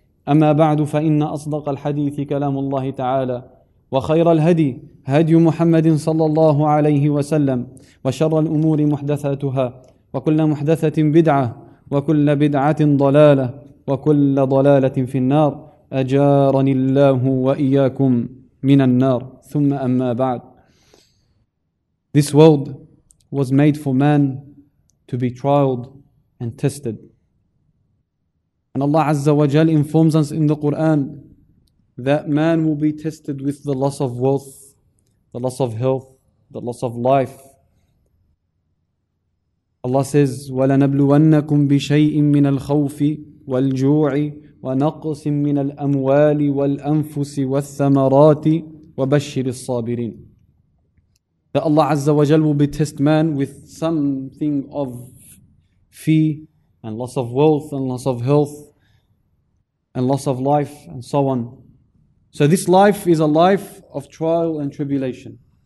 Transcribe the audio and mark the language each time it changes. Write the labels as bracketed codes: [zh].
[ar] أما بعد فإن أصدق الحديث كلام الله تعالى وخير الهدي هدي محمد صلى الله عليه وسلم وشر الأمور محدثاتها وكل محدثة بدعة وكل بدعة ضلالة وكل ضلالة في النار أجارني الله وإياكم من النار ثم أما بعد. [en] This world was made for man to be trialed and tested. And Allah Azza wa Jal informs us in the Quran that man will be tested with the loss of wealth, the loss of health, the loss of life. Allah says, [ar] وَلَنَبْلُوَنَّكُمْ بِشَيْءٍ مِّنَ الْخَوْفِ وَالْجُوعِ وَنَقْصٍ مِّنَ الْأَمْوَالِ وَالْأَنفُسِ وَالثَّمَرَاتِ وَبَشِّرِ الصَّابِرِينَ. [en] That Allah Azza wa Jal will test man with something of fear and loss of wealth and loss of health and loss of life and so on. So this life is a life of trial and tribulation.